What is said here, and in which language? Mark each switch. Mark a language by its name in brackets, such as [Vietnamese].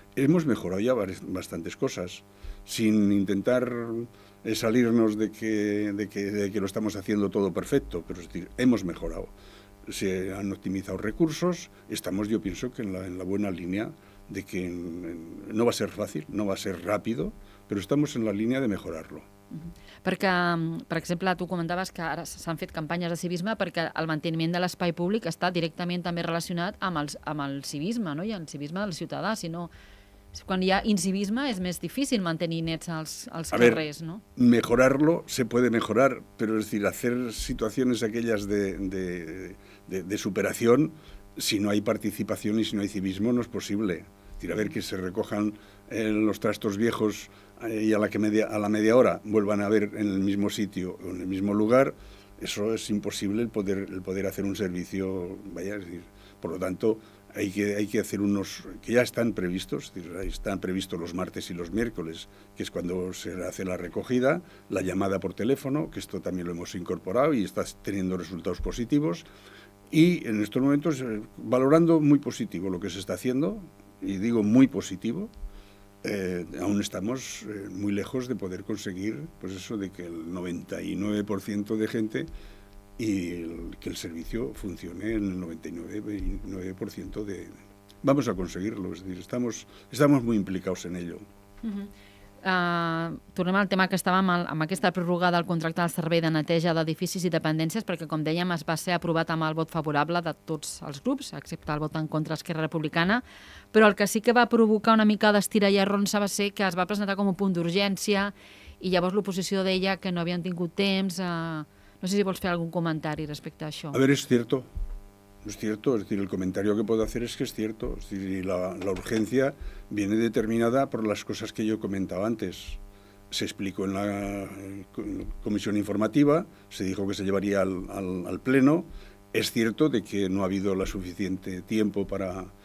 [Spanish] Hemos mejorado ya bastantes cosas, sin intentar salirnos de que lo estamos haciendo todo perfecto, pero es decir, hemos mejorado. Se han optimizado recursos, estamos, yo pienso, que en la buena línea de que no va a ser fácil, no va a ser rápido, pero estamos en la línea de mejorarlo. [Catalan] Perquè, per exemple, tu comentaves que ara s'han fet campanyes de civisme perquè el manteniment de l'espai públic està directament també relacionat amb el civisme, no? I el civisme del ciutadà. Si no, quan hi ha incivisme és més difícil mantenir nets els carrers, [Spanish] ver, [Catalan] no? [Spanish] Mejorarlo se puede mejorar, pero es decir, hacer situaciones aquellas de superación, si no hay participación y si no hay civismo, no es posible. Es decir, a ver, que se recojan los trastos viejos y a la media hora vuelvan a ver en el mismo sitio o en el mismo lugar, eso es imposible, el poder hacer un servicio, vaya, es decir, por lo tanto hay que hacer unos que ya están previstos, es decir, están previstos los martes y los miércoles, que es cuando se hace la recogida, la llamada por teléfono, que esto también lo hemos incorporado y está teniendo resultados positivos, y en estos momentos valorando muy positivo lo que se está haciendo, y digo muy positivo. Aún estamos muy lejos de poder conseguir, pues eso, de que el 99% de gente y que el servicio funcione en el 99% de... Vamos a conseguirlo, es decir, estamos muy implicados en ello. Uh-huh. [Catalan] tornem al tema que estàvem amb aquesta prorroga del contracte del servei de neteja d'edificis i dependències, perquè, com dèiem, es va ser aprovat amb el vot favorable de tots els grups, excepte el vot en contra Esquerra Republicana, però el que sí que va provocar una mica d'estira i arronsa va ser que es va presentar com un punt d'urgència i llavors l'oposició deia que no havien tingut temps. No sé si vols fer algun comentari respecte a això. A veure, és cert. [Spanish] No es cierto, es decir, el comentario que puedo hacer es que es cierto, es decir, la urgencia viene determinada por las cosas que yo comentaba antes. Se explicó en la comisión informativa, se dijo que se llevaría al pleno, es cierto de que no ha habido la suficiente tiempo para...